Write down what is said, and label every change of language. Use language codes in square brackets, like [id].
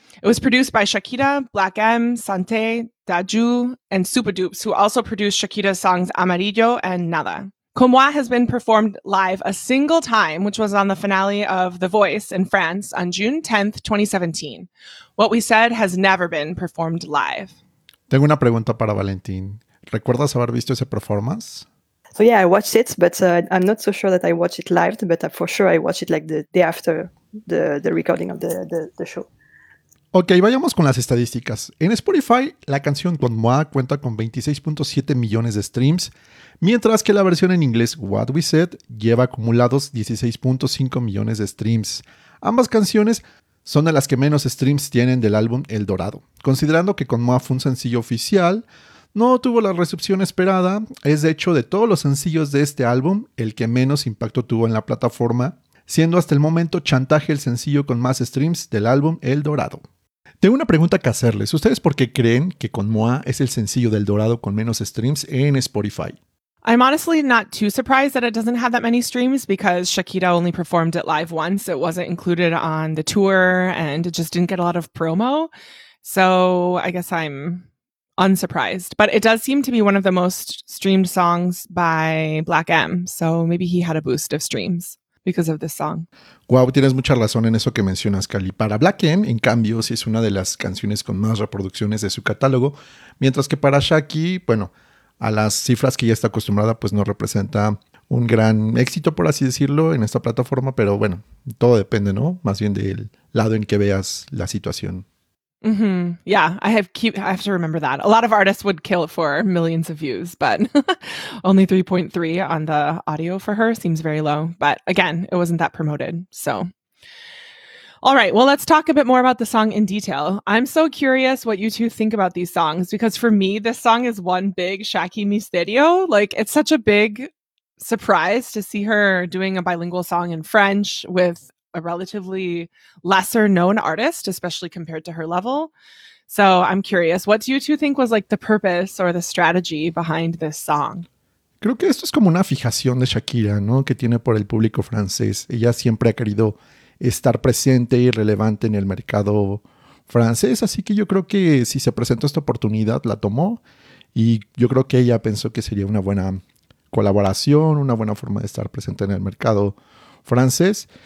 [en] It was produced by Shakira, Black M, Santé, Daju, and Supadupes, who also produced Shakira's songs Amarillo and Nada. Comme Moi has been performed live a single time, which was on the finale of The Voice in France on June 10th, 2017. What We Said has never been performed live. [es] Tengo una pregunta para Valentín. ¿Recuerdas haber visto ese performance? [en] So yeah, I watched it, but I'm not so sure that I watched it live, but for sure I watched it like the day after the recording of the show. [es] Ok, vayamos con las estadísticas. En Spotify, la canción Con Moi cuenta con 26.7 millones de streams, mientras que la versión en inglés What We Said lleva acumulados 16.5 millones de streams. Ambas canciones son de las que menos streams tienen del álbum El Dorado. Considerando que Con Moi fue un sencillo oficial, no tuvo la recepción esperada. Es de hecho de todos los sencillos de este álbum el que menos impacto tuvo en la plataforma, siendo hasta el momento Chantaje el sencillo con más streams del álbum El Dorado. Tengo una pregunta que hacerles. ¿Ustedes por qué creen que Con Moi es el sencillo del Dorado con menos streams en Spotify? [en] I'm honestly not too surprised that it doesn't have that many streams because Shakira only performed it live once. It wasn't included on the tour and it just didn't get a lot of promo. So I guess I'm unsurprised. But it does seem to be one of the most streamed songs by Black M. So maybe he had a boost of streams because of this song. [es] Wow, tienes mucha razón en eso que mencionas, Cali. Para Black M, en cambio, sí es una de las canciones con más reproducciones de su catálogo. Mientras que para Shaki, bueno, a las cifras que ya está acostumbrada, pues no representa un gran éxito, por así decirlo, en esta plataforma. Pero bueno, todo depende, ¿no? Más bien del lado en que veas la situación. Mm-hmm. [en] Yeah, I have to remember that. A lot of artists would kill for millions of views, but only 3.3 on the audio for her seems very low. But again, it wasn't that promoted. So, all right, well, let's talk a bit more about the song in detail. I'm so curious what you two think about these songs, because for me, this song is one big Shaki misterio. Like, it's such a big surprise to see her doing a bilingual song in French with a relatively lesser known artist, especially compared to her level. So I'm curious, what do you two think was like the purpose or the strategy behind this song? [es] Creo que esto es como una fijación de Shakira, ¿no? Que tiene por el público francés. Ella siempre ha querido estar presente y relevante en el mercado francés. Así que yo creo que si se presentó esta oportunidad, la tomó. Y yo creo que ella pensó que sería una buena colaboración, una buena forma de estar presente en el mercado francés.